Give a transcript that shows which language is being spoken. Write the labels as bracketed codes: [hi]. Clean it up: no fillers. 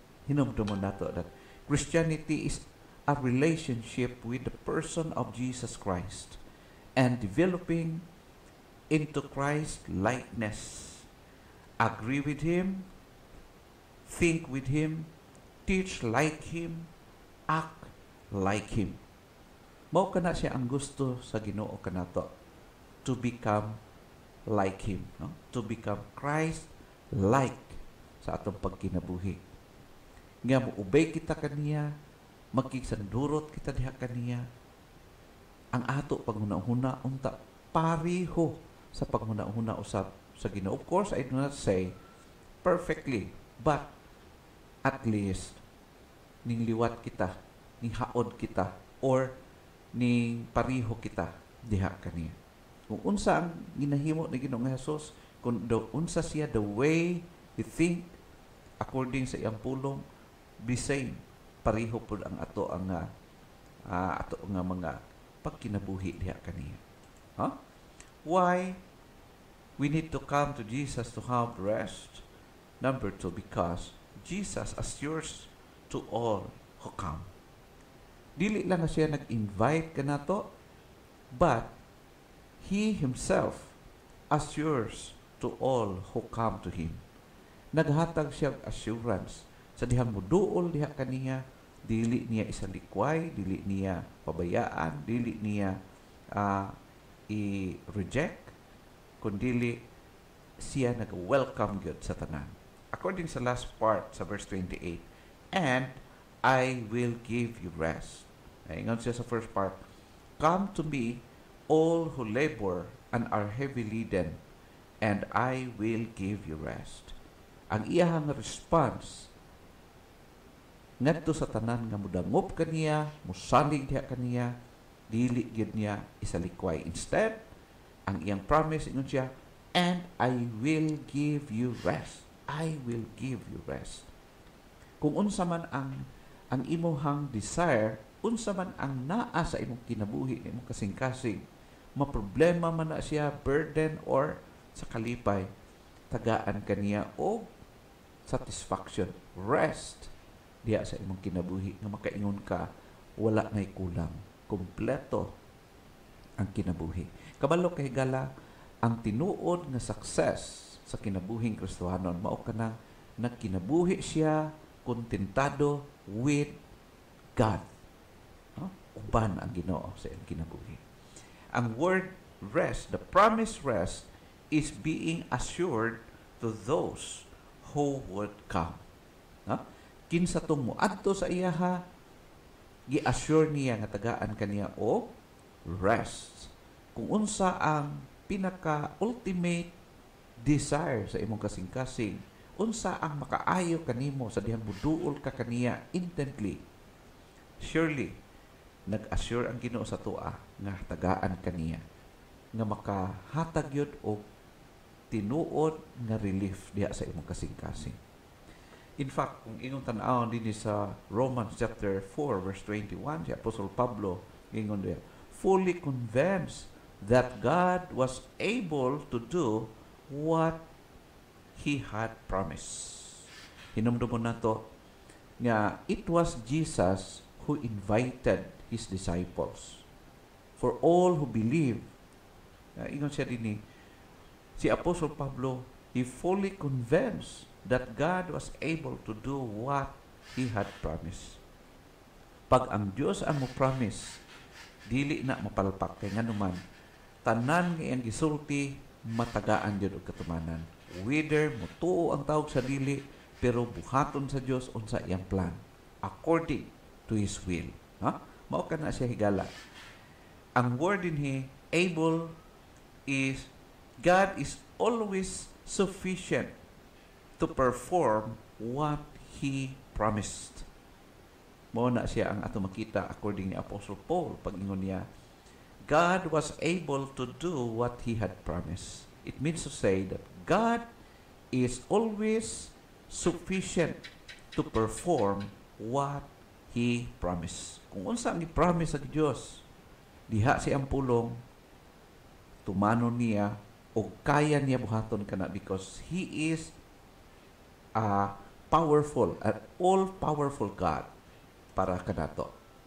[ceb] Hinumdumon na to [en] that Christianity is a relationship with the person of Jesus Christ and developing into Christ's likeness. Agree with Him, think with Him, teach like Him, act like Him. [ceb] Mao kana siya ang gusto sa Ginoo kanato, [en] to become like Him, [ceb] no? [en] To become Christ-like [ceb] sa atong pagkinabuhi. Nga mo-obey kita kaniya, magkisandurot kita diha kaniya, ang ato panguna-huna unta pariho sa panguna-huna usab sa Ginoo. [en] Of course, I do not say perfectly, but at least [ceb] ningliwat kita, ning haod kita, [en] or [ceb] ning pariho kita diha kaniya. Kung unsa ang ginahimo ni Ginoong Hesus, kung unsa siya [en] the way you think [ceb] according sa iyang pulong, [en] be same. [ceb] Pareho po ang ato ang mga pagkinabuhi diha kaniya. Huh? [en] Why we need to come to Jesus to have rest? Number two, because Jesus assures to all who come. [ceb] Dili lang siya nag-invite ka na to, [en] but He Himself assures to all who come to Him. [ceb] Naghatag siya assurance sa dihang muduol diha kaniya. Dili niya isalikway, dili niya pabayaan, dili niya i-reject, kundili siya nag-welcome God sa tanan. [en] According [ceb] sa last part, sa [en] verse 28, and I will give you rest. [ceb] Ngayon siya sa [en] first part, come to me all who labor and are heavy laden, and I will give you rest. [ceb] Ang iyahang response, ngadto sa tanan nga mudangop kaniya, musalig diha kaniya, dili gyud niya isalikway. [en] Instead, [ceb] ang iyang promise ingon siya, [en] and I will give you rest. I will give you rest. [ceb] Kung unsa man ang imong desire, unsa man ang naa sa imong kinabuhi, imong kasing-kasing, maproblema man na siya, burden or sa kalipay, tagaan kaniya og satisfaction, rest diya sa imong kinabuhi nga makaingon ka wala may kulang, kompleto ang kinabuhi. Kabalo kay higala ang tinuod nga success sa kinabuhing Kristohanon mao kanang nagkinabuhi siya kontentado with God. Uban ang Ginoo sa iyong kinabuhi. Ang word rest, [en] the promised rest, is being assured to those who would come. [ceb] Kinsa tong muadto sa iyaha, gi-assure niya nga tagaan kaniya o rest. Kung unsa ang pinaka-ultimate desire sa imong kasing-kasing, unsa ang makaayo kanimo sa dihang buduol ka kaniya intently, surely, nag-assure ang Ginoo sa tua nga tagaan kaniya nga makahatag yun o tinuod nga relief diya sa imong kasing-kasing. [en] In fact, [ceb] kung ingon tanawon din sa Romans chapter 4 verse 21, si Apostle Pablo ingon diya, [en] fully convinced that God was able to do what He had promised. [ceb] Hinumdumon na to nga [en] it was Jesus who invited His disciples. For all who believe, [ceb] ingon siya din [en] si Apostle Pablo, he fully convinced that God was able to do what He had promised. [ceb] Pag ang Diyos ang mo-promise, dili na mapalpak. Kaya nga naman, tanan nga iyang gisulti, matagaan Diyos o katumanan. Whether mutuo ang tawag sa dili, pero buhaton sa Diyos o sa iyang plan, [en] according to His will. [ceb] Ha? Mao ka na siya higala. [en] Ang word in He, able, is God is always sufficient to perform what He promised. [ceb] Mao na siya ang ato makita according ni Apostle Paul pag ingon niya, [en] God was able to do what He had promised. It means to say that God is always sufficient to perform what He promised. [ceb] Kung unsa ang i-promise sa Diyos, diha siya ang pulong, tumano niya, o kaya niya buhaton kana [en] because He is a powerful, an all-powerful God [ceb] para kanato.